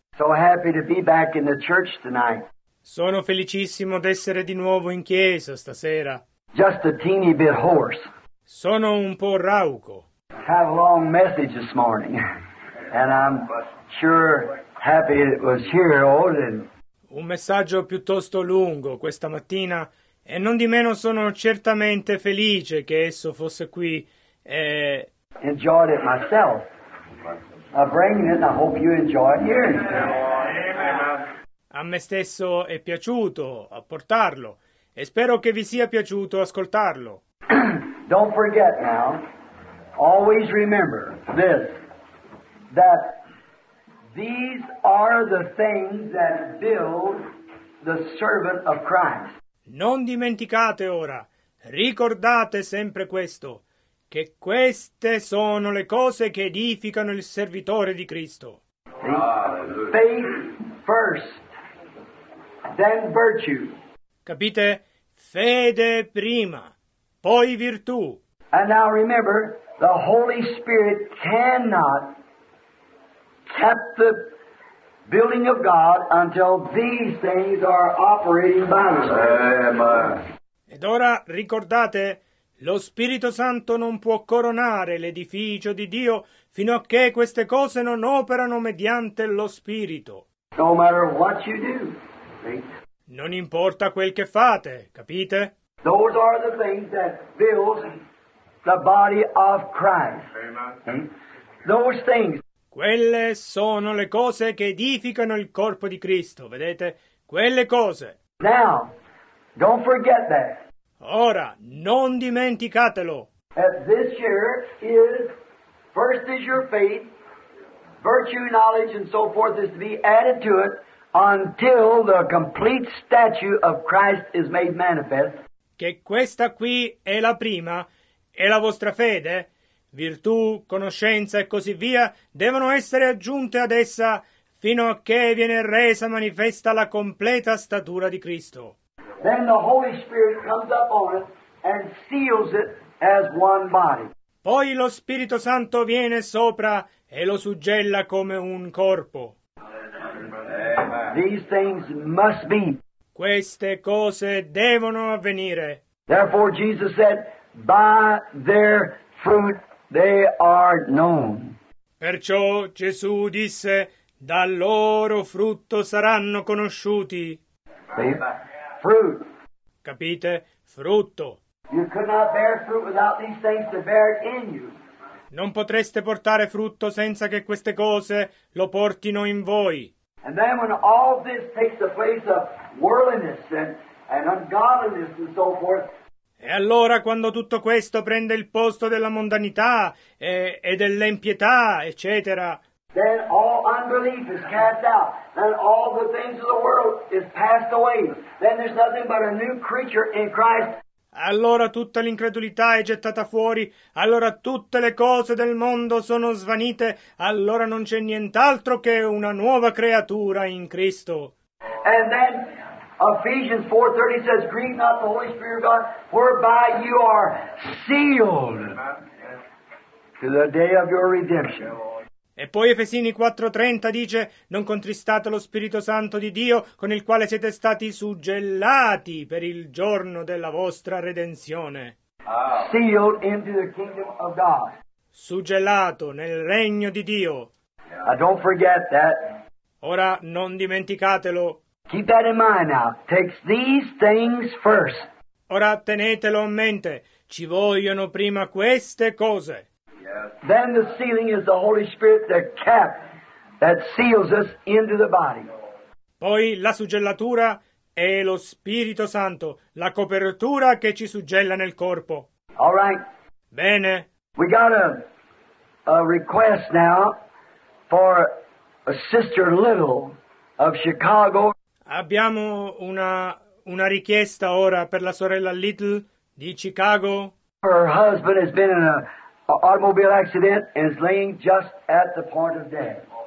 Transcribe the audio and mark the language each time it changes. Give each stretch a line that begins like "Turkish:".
English: So happy to be back in the church tonight.
Italian: Sono felicissimo d'essere di nuovo in chiesa stasera.
English: Just a teeny bit hoarse.
Italian: Sono un po' rauco.
English: Had a long message this morning. And I'm sure happy it was here, Odin.
Italian: Un messaggio piuttosto lungo questa mattina, e non di meno sono certamente felice che esso fosse qui.
English: Enjoyed it myself. I'm bringing it, and I hope you enjoy it here.
Italian: A me stesso è piaciuto a portarlo, e spero che vi sia piaciuto ascoltarlo.
English: Don't forget now. Always remember this. That these are the things that build the servant of Christ.
Italian: Non dimenticate ora, ricordate sempre questo, che queste sono le cose che edificano il servitore di Cristo.
English: Faith first, then virtue.
Italian: Capite? Fede prima, poi virtù.
English: And now remember, the Holy Spirit cannot kept the building of God until these things are operating by them.
Italian: Ed ora ricordate, lo Spirito Santo non può coronare l'edificio di Dio fino a che queste cose non operano mediante lo Spirito.
English: No matter what you do,
Italian: non importa quel che fate, capite?
English: Those are the things that builds the body of Christ. Those things.
Italian: Quelle sono le cose che edificano il corpo di Cristo, vedete? Quelle cose.
English: Now, don't forget that.
Italian: Ora, non dimenticatelo.
English: That this year is, first is your faith, virtue, knowledge, and so forth is to be added to it until the complete statue of Christ is made manifest.
Italian: Che questa qui è la prima, è la vostra fede. Virtù, conoscenza e così via devono essere aggiunte ad essa fino a che viene resa manifesta la completa statura di Cristo.
English: Then the Holy Spirit comes up on it and seals it as one body.
Italian: Poi lo Spirito Santo viene sopra e lo suggella come un corpo.
English: These things must be.
Italian: Queste cose devono avvenire.
English: Therefore Jesus said, by their fruit they are known.
Italian: Perciò Gesù disse, dal loro frutto saranno conosciuti.
English: Fruit.
Italian: Capite? Frutto.
English: You could not bear fruit without these things to bear it in you.
Italian: Non potreste portare frutto senza che queste cose lo portino in voi.
English: And then when all this takes the place of worldliness and ungodliness and so forth.
Italian: E allora quando tutto questo prende il posto della mondanità e dell'impietà, eccetera.
English: Then all unbelief is cast out. Then all the things of the world is passed away. Then there's nothing but a new creature in Christ.
Italian: Allora tutta l'incredulità è gettata fuori. Allora tutte le cose del mondo sono svanite. Allora non c'è nient'altro che una nuova creatura in Cristo.
English: And then Ephesians 4:30 says, grieve not the Holy Spirit of God, whereby you are sealed to the day of your redemption.
Italian: E poi Efesini 4:30 dice, non contristate lo Spirito Santo di Dio, con il quale siete stati suggellati per il giorno della vostra redenzione.
English: Sealed into the kingdom of God.
Italian: Suggellato nel regno di Dio.
English: I don't forget that.
Italian: Ora non dimenticatelo.
English: Keep that in mind now. Take these things first.
Italian: Ora tenetelo a mente. Ci vogliono prima queste cose.
English: Yes. Then the sealing is the Holy Spirit, the cap that seals us into the body.
Italian: Poi la suggellatura è lo Spirito Santo, la copertura che ci suggella nel corpo.
English: All right.
Italian: Bene.
English: We got a request now for a Sister Little of Chicago.
Italian: Abbiamo una richiesta ora per la sorella Little di Chicago.
English: Her husband has been in an automobile accident and is laying just at the point of death.